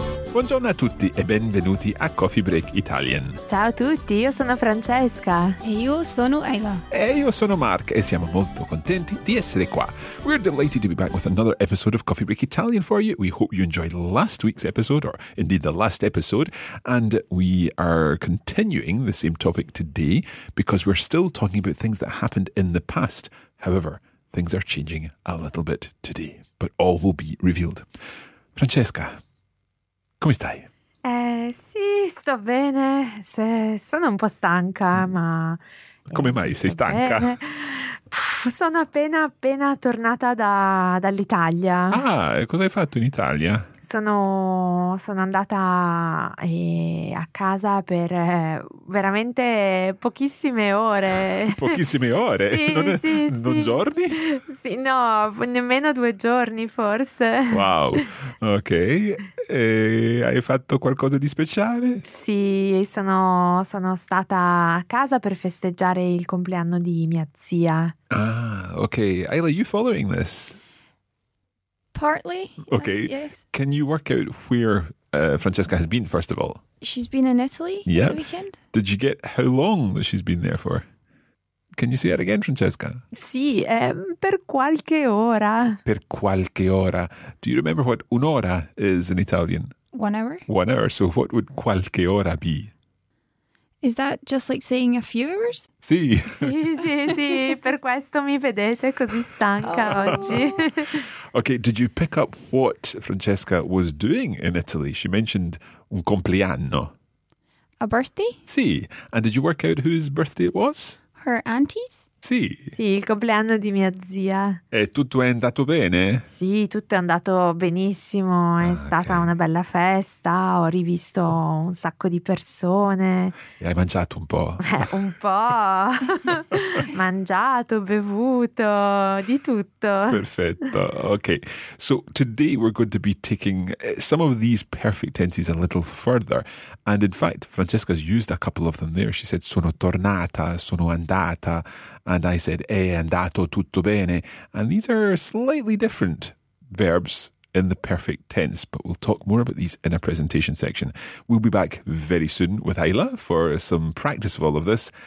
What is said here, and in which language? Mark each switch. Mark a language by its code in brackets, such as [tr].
[it] Buongiorno a tutti e benvenuti a Coffee Break Italian. Ciao a tutti, io sono Francesca. E io sono Eva. E io sono Mark e siamo molto contenti di essere qua. [en] We're delighted to be back with another episode of Coffee Break Italian for you. We hope you enjoyed last week's episode, or indeed the last episode. And we are continuing the same topic today because we're still talking about things that happened in the past. However, things are changing a little bit today, but all will be revealed. [it] Francesca. Come stai? Sì, sto bene. Sono un po' stanca, ma... Come mai sei stanca? Sono appena tornata dall'Italia. Ah, cosa hai fatto in Italia? Sono andata a casa per veramente pochissime ore. Pochissime ore? Sì, non giorni? Sì, no, nemmeno due giorni forse. Wow, ok. E hai fatto qualcosa di speciale? Sì, sono stata a casa per festeggiare il compleanno di mia zia. Ah, ok. [en] Ayla, are you following this? Partly. Okay. Yes. Can you work out where Francesca has been, first of all? She's been in Italy for the weekend. Did you get how long she's been there for? Can you say that again, Francesca? [it] Sì, per qualche ora. Per qualche ora. [en] Do you remember what un'ora is in Italian? 1 hour. 1 hour. So what would [it] qualche ora [en] be? Is that just like saying a few hours? [it] Sì. Sì, per questo mi vedete così stanca oggi. [en] Okay, did you pick up what Francesca was doing in Italy? She mentioned [it] un compleanno. [en] A birthday? [it] Sì. [en] And did you work out whose birthday it was? Her auntie's? [it] Sì. Sì, il compleanno di mia zia. E tutto è andato bene? Sì, tutto è andato benissimo. È stata una bella festa. Ho rivisto un sacco di persone. E hai mangiato un po'? Un po'. Mangiato, bevuto, di tutto. Perfetto. Ok. [en] So today we're going to be taking some of these perfect tenses a little further. And in fact, Francesca's used a couple of them there. She said, [it] sono tornata, sono andata. [en] And I said, [it] è andato tutto bene. [en] And these are slightly different verbs in the perfect tense, but we'll talk more about these in a presentation section. We'll be back very soon with Ayla for some practice of all of this.